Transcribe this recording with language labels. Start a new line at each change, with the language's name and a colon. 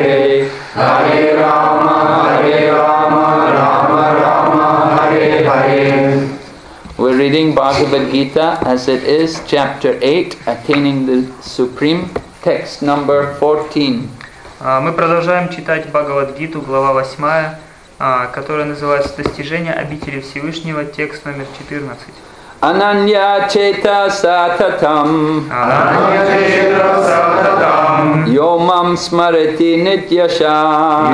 Sanskrit: Hare Hare Ram Hare Ram Ram Ram Hare Hare.
English: We're reading Bhagavad Gita as it is, chapter 8, attaining the supreme text number 14.
Russian: Мы продолжаем читать Бхагавад-гиту, глава 8, которая называется «Достижение обители Всевышнего», текст номер 14.
Sanskrit: Ананья чета сататам. Ананья чета сататам. Йомам смарати нитьяша.